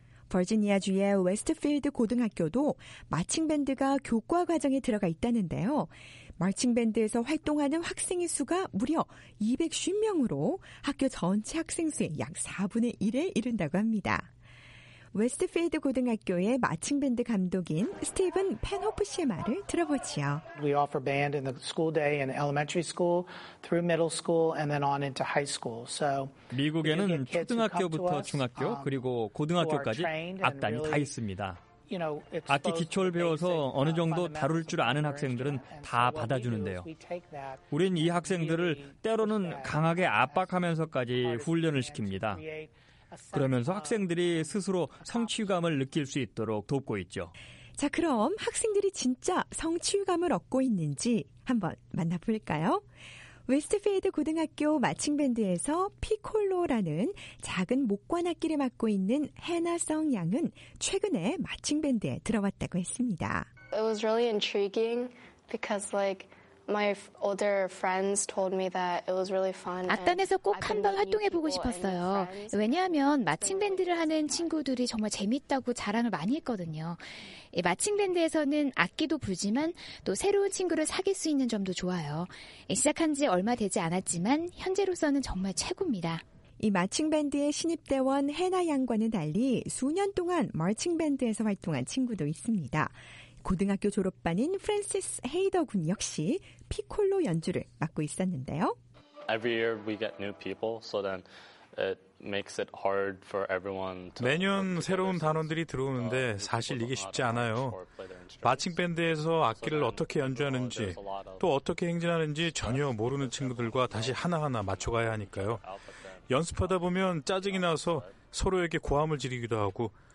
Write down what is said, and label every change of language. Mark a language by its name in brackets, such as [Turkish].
[Korean] 버지니아주의 웨스트필드 고등학교도 마칭 밴드가 교과 과정에 들어가 있다는데요. 마칭 밴드에서 활동하는 학생의 수가 무려 250명으로 학교 전체 학생 수의 약 4분의 1에 이른다고 합니다. 웨스트필드 고등학교의 마칭 밴드 감독인 스티븐 펜호프 씨의 말을 들어보지요. [English] We offer band in the school day in elementary school through middle school and then on into high school. So [Korean] 미국에는 초등학교부터 중학교 그리고 고등학교까지 악단이 다 있습니다. 악기 기초를 배워서 어느 정도 다룰 줄 아는 학생들은 다 받아주는데요. 우린 이 학생들을 때로는 강하게 압박하면서까지 훈련을 시킵니다. 그러면서 학생들이 스스로 성취감을 느낄 수 있도록 돕고 있죠. 자, 그럼 학생들이 진짜 성취감을 얻고 있는지 한번 만나볼까요? 웨스트필드 고등학교 마칭밴드에서 피콜로라는 작은 목관악기를 맡고 있는 해나 성 양은 최근에 마칭밴드에 들어왔다고 했습니다. [English] It was really intriguing because like my older friends told me that it was really fun. [Korean] 악단에서 꼭 한번 활동해 보고 싶었어요. 왜냐하면 마칭밴드를 하는 친구들이 정말 재밌다고 자랑을 많이 했거든요. 마칭밴드에서는 악기도 불지만 또 새로운 친구를 사귈 수 있는 점도 좋아요. 시작한 지 얼마 되지 않았지만 현재로서는 정말 최고입니다. 이 마칭밴드의 신입대원 해나 양과는 달리 수년 동안 마칭밴드에서 활동한 친구도 있습니다. 고등학교 졸업반인 프랜시스 헤이더 군 역시 피콜로 연주를 맡고 있었는데요. [English] Every year we get new people, so then it makes it hard for everyone to. [Korean] 매년 새로운 단원들이 들어오는데 사실 이게 쉽지 않아요. 마칭 밴드에서 악기를 어떻게 연주하는지 또 어떻게 행진하는지 전혀 모르는 친구들과 다시 하나하나 맞춰가야 하니까요. 연습하다 보면 짜증이 나서 서로에게 고함을 지르기도 하고.